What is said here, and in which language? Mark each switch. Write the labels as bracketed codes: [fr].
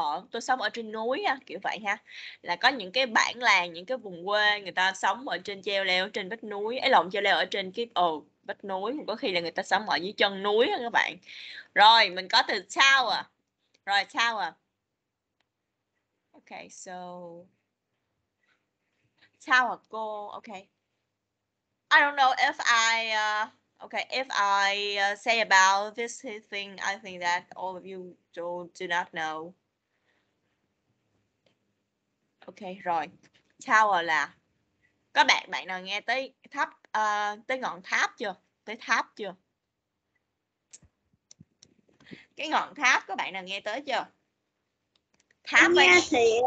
[vi] Tôi sống ở trên núi ha, kiểu vậy ha. Là có những cái bản làng, những cái vùng quê người ta sống ở trên treo leo trên vách núi. Ấy lộn, treo leo ở trên cái vách núi, có khi là người ta sống ở dưới chân núi ha các bạn. Rồi, mình có từ tower. Rồi tower. [en] Okay, so tower go, okay. I don't know if I say about this thing, I think that all of you do not know. [vi] Okay, rồi. Tower là có bạn nào nghe tới tháp tới ngọn tháp chưa? Tới tháp chưa? Cái ngọn tháp có bạn nào nghe tới chưa? Tháp nghe thì.